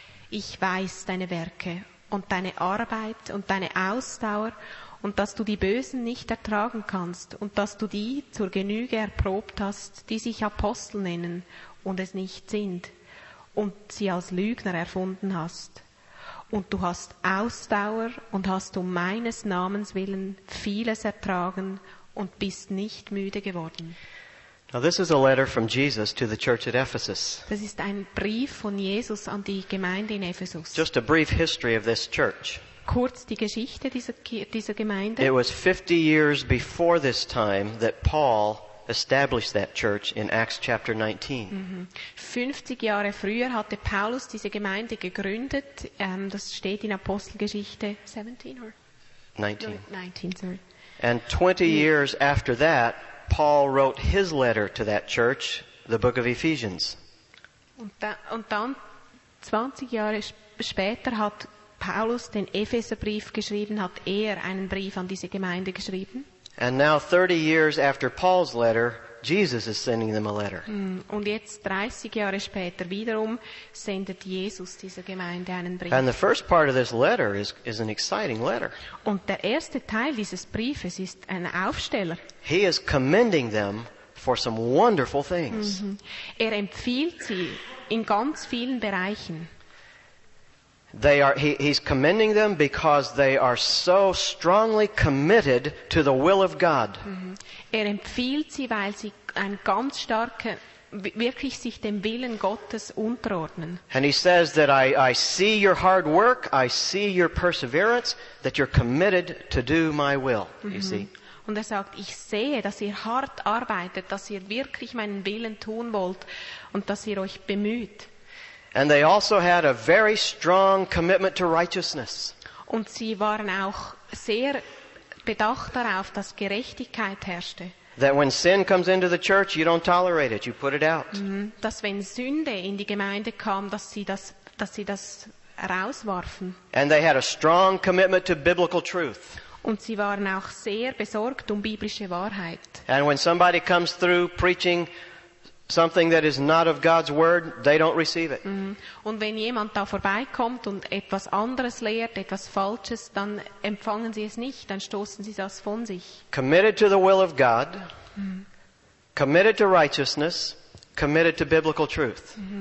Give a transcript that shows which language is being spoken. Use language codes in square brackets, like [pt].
[de] Ich weiß deine Werke und deine Arbeit und deine Ausdauer und dass du die Bösen nicht ertragen kannst und dass du die zur Genüge erprobt hast, die sich Apostel nennen und es nicht sind und sie als Lügner erfunden hast. Und du hast Ausdauer und hast um meines Namens willen vieles ertragen und bist nicht müde geworden. [en] Now this is a letter from Jesus to the church at Ephesus. [de] Das ist ein Brief von Jesus an die Gemeinde in Ephesus. [en] Just a brief history of this church. [de] Kurz die Geschichte dieser Gemeinde. [en] It was 50 years before this time that Paul established that church in Acts chapter 19. [de] 50 Jahre früher hatte Paulus diese Gemeinde gegründet. Das steht in Apostelgeschichte 19. [en] And 20 years after that, Paul wrote his letter to that church, the book of Ephesians. [de] Und dann 20 Jahre später hat Paulus den Epheserbrief geschrieben, hat einen Brief an diese Gemeinde geschrieben. [en] And now 30 years after Paul's letter, Jesus is sending them a letter. [de] Und jetzt 30 Jahre später wiederum sendet Jesus dieser Gemeinde einen Brief. [en] And the first part of this letter is an exciting letter. [de] Und der erste Teil dieses Briefes ist ein Aufsteller. [en] He is commending them for some wonderful things. [de] Empfiehlt sie in ganz vielen Bereichen. [en] He's commending them because they are so strongly committed to the will of God. [de] Empfiehlt sie, weil sie ein ganz starker, wirklich sich dem Willen Gottes unterordnen. [en] And he says that I see your hard work, I see your perseverance, that you're committed to do my will. You see. [de] Und er sagt, ich sehe, dass ihr hart arbeitet, dass ihr wirklich meinen Willen tun wollt und dass ihr euch bemüht. [en] And they also had a very strong commitment to righteousness. [de] Und sie waren auch sehr bedacht darauf, dass Gerechtigkeit herrschte. [en] That when sin comes into the church, you don't tolerate it, you put it out. [de] Dass wenn Sünde in die Gemeinde kam, dass sie das rauswarfen. [en] And they had a strong commitment to biblical truth. [de] Und sie waren auch sehr besorgt biblische Wahrheit. [en] And when somebody comes through preaching something that is not of God's word, they don't receive it. [de] Und wenn jemand da vorbeikommt und etwas anderes lehrt, etwas Falsches, dann empfangen sie es nicht, dann stoßen sie das von sich. [en] Committed to the will of God, committed to righteousness, committed to biblical truth.